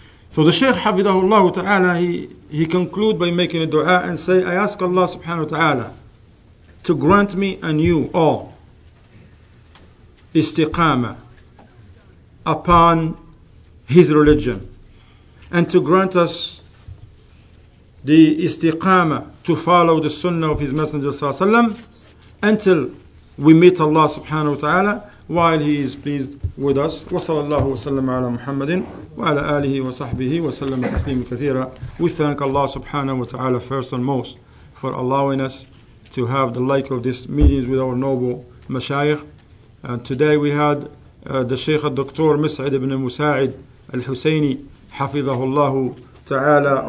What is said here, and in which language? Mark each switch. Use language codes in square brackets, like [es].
[en] So the Sheikh حفظه الله تعالى, he conclude by making a dua and say, I ask Allah subhanahu wa ta'ala to grant me and you all istiqama upon his religion, and to grant us the istiqama to follow the sunnah of his messenger until we meet Allah subhanahu wa ta'ala while he is pleased with us. [ar] وصلى الله وسلم على محمد وعلى آله وصحبه وسلم تسليما كثيرا. [en] We thank Allah subhanahu wa ta'ala first and most for allowing us to have the like of this meetings with our noble mashayikh. And today we had the Shaykh al-Doktor Mus'id ibn Musa'id al-Husayni حفظه الله تعالى.